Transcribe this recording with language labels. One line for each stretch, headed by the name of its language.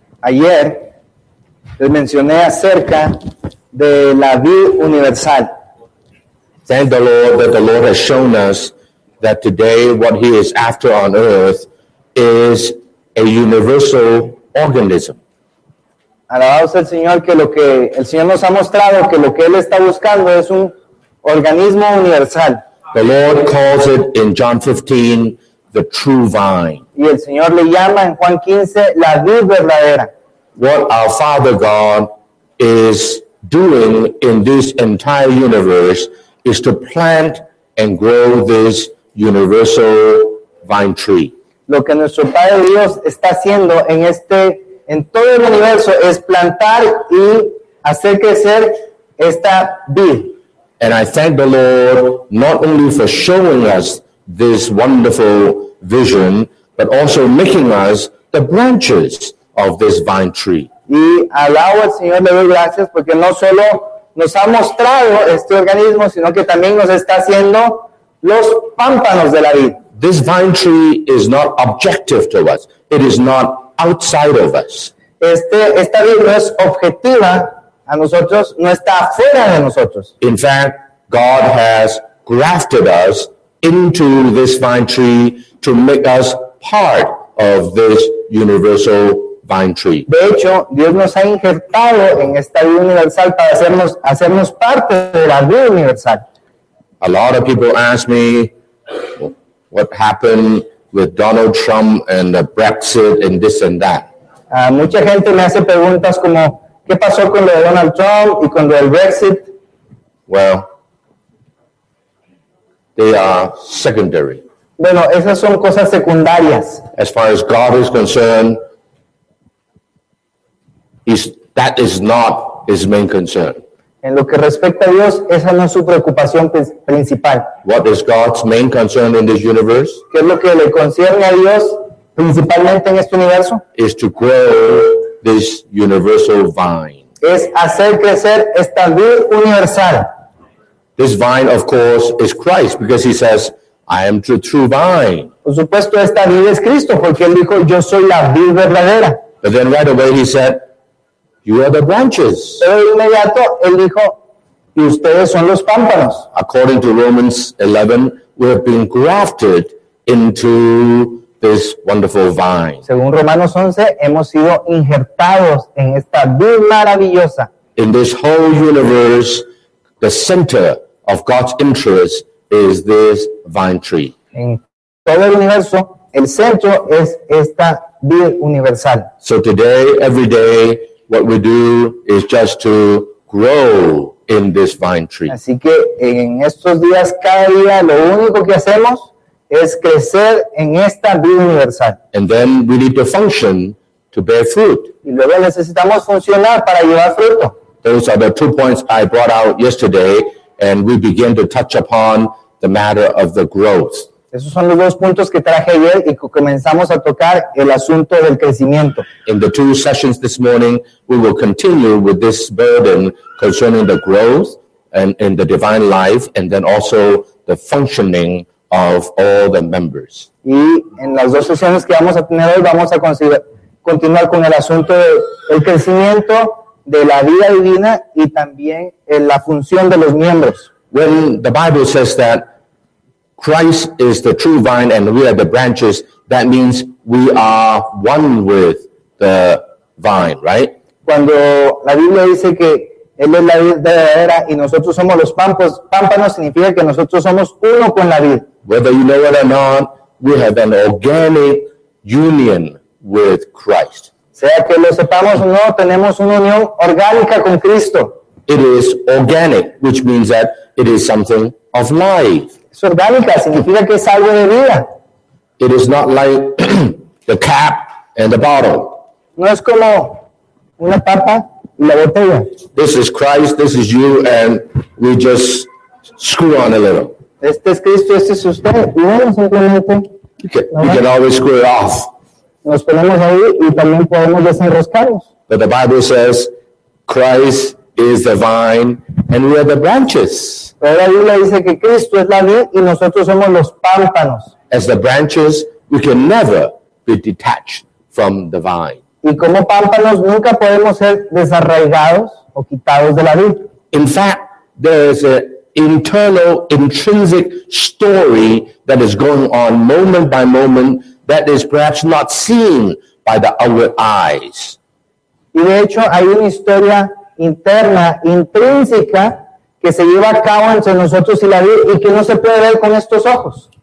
Spanish: Ayer, les mencioné acerca de la vid universal.
English: Thank the Lord that the Lord has shown us that today what he is after on earth is a universal organism.
Spanish: Alabado sea el Señor que lo que el Señor nos ha mostrado que lo que él está buscando es un organismo universal.
English: The Lord calls it in John 15 the true vine.
Spanish: Y el Señor le llama en Juan 15 la vid verdadera.
English: What our Father God is doing in this entire universe is to plant and grow this universal vine tree.
Spanish: Lo que nuestro Padre Dios está haciendo en este en todo el universo es plantar y hacer crecer esta vid.
English: And I thank the Lord not only for showing us this wonderful vision, but also making us the branches of this vine tree.
Spanish: y alabo al Señor, le doy gracias porque no solo nos ha mostrado este organismo, sino que también nos está haciendo los pámpanos de la vid.
English: This vine tree is not objective to us. It is not outside of us.
Spanish: Esta vid no es objetiva a nosotros, no está fuera de nosotros.
English: In fact, God has grafted us into this vine tree to make us part of this universal vine tree.
Spanish: De hecho, Dios nos ha injertado en esta vida universal para hacernos parte de la vida universal.
English: A lot of people ask me what happened with Donald Trump and the Brexit and this and that.
Spanish: Mucha gente me hace preguntas como ¿qué pasó con lo de Donald Trump y con lo del Brexit?
English: Well, they are secondary.
Spanish: Bueno, esas son cosas secundarias.
English: As far as God is concerned, that is not his main concern.
Spanish: En lo que respecta a Dios, esa no es su preocupación principal.
English: What is God's main concern in this universe?
Spanish: ¿Qué es lo que le concierne a Dios principalmente en este universo?
English: Is to grow this universal vine.
Spanish: Es hacer crecer esta vid universal.
English: This vine, of course, is Christ, because he says, I am the true vine.
Spanish: Por supuesto, esta vid es Cristo, porque él dijo, yo soy la vid verdadera.
English: But then right away he said, you are the branches.
Spanish: Pero de inmediato, él dijo, y ustedes son los pámpanos.
English: According to Romans 11, we have been grafted into this wonderful vine.
Spanish: Según Romanos 11, hemos sido injertados en esta vid maravillosa.
English: In this whole universe, the center of God's interest is this vine tree.
Spanish: En todo el universo, el centro es esta vid universal.
English: So today, every day, what we do is just to grow in this vine tree.
Spanish: Así que en estos días, cada día, lo único que hacemos es crecer en esta vid universal.
English: And then we need to function to bear fruit.
Spanish: Y luego necesitamos funcionar para llevar fruto.
English: Those are the two points I brought out yesterday, and we begin to touch upon the matter of the growth.
Spanish: Esos son los dos puntos que traje ayer y que comenzamos a tocar el asunto del crecimiento.
English: In the two sessions this morning, we will continue with this burden concerning the growth and in the divine life, and then also the functioning of all the members.
Spanish: Y en las dos sesiones que vamos a tener hoy, vamos a continuar con el asunto del crecimiento de la vida divina y también en la función de los miembros.
English: When the Bible says that Christ is the true vine and we are the branches, that means we are one with the vine, right?
Spanish: Cuando la Biblia dice que él es la vid verdadera y nosotros somos los pámpanos, significa que nosotros somos uno con la vid.
English: Whether you know it or not, we have an organic union with Christ.
Spanish: Sea que lo sepamos o no, tenemos una unión orgánica con Cristo.
English: It is organic, which means that it is something of life.
Spanish: Es orgánica, significa que es algo de vida.
English: It is not like the cap and the bottle.
Spanish: No es como una tapa y la botella.
English: This is Christ, this is you, and we just screw on a little.
Spanish: Este es Cristo, este es usted, y bueno, simplemente.
English: You can always screw it off.
Spanish: Nos ponemos ahí y también podemos desenroscarnos.
English: But the Bible says, Christ is the vine and we are the branches.
Spanish: Pero la Biblia dice que Cristo es la vid y nosotros somos los pámpanos.
English: As the branches, we can never be detached from the vine.
Spanish: Y como pámpanos nunca podemos ser desarraigados o quitados de la vid.
English: In fact, there is an internal, intrinsic story that is going on moment by moment that is perhaps not seen by the outward eyes.
Spanish: Y de hecho, hay una historia interna, intrínseca, que se lleva a cabo entre nosotros y la vid y que no se puede ver con estos ojos.